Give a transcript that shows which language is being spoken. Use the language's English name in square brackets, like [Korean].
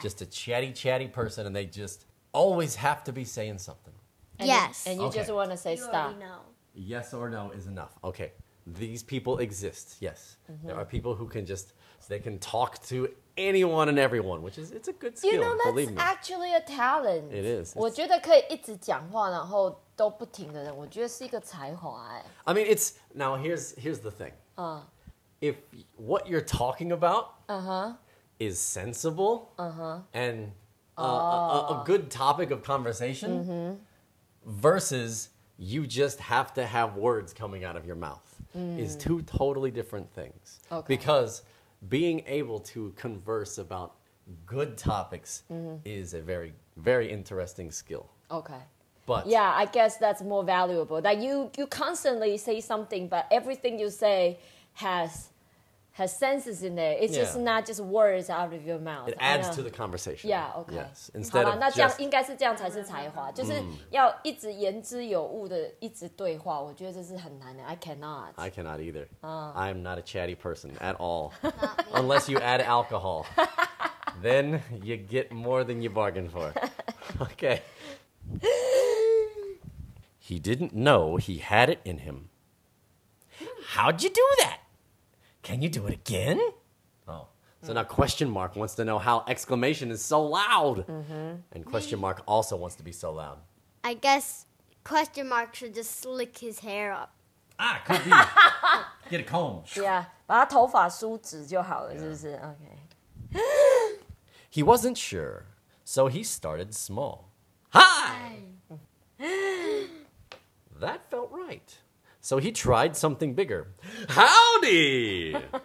[English] Just a chatty, chatty person and they just always have to be saying something? And yes. And you just want to say you stop. Know. Yes or no is enough. Okay. These people exist. Yes. Mm-hmm. There are people who can just, they can talk to anyone and everyone, which is, it's a good skill. You know, that's believe me. Actually a talent. It is. [Chinese] 我觉得可以一直讲话然后都不停的人，我觉得是一个才华。 [English] I mean, it's, now here's the thing. If what you're talking about is sensible and a good topic of conversation, versus you just have to have words coming out of your mouth is two totally different things. Okay. Because being able to converse about good topics is a very, very interesting skill. Okay. But yeah, I guess that's more valuable. That you constantly say something, but everything you say has senses in there. It's just not just words out of your mouth. It adds to the conversation. Yeah, okay. Yes. Instead [Chinese] 好吧, [English] of [Chinese] 那这样, [English] just... [Chinese] 应该是这样才是才华。就是要一直言之有物的一直对话,我觉得这是很难的。 [English] I cannot either. I'm not a chatty person at all. Unless you add alcohol. Then you get more than you bargained for. Okay. He didn't know he had it in him. How'd you do that? Can you do it again? Oh. So now question mark wants to know how exclamation is so loud. Mm-hmm. And question mark also wants to be so loud. I guess question mark should just slick his hair up. Ah, could be. Get a comb. Yeah. [Chinese] 把他头发梳直就好了, 是不是? [English] Okay. He wasn't sure, so he started small. Hi! That felt right. So he tried something bigger. Howdy!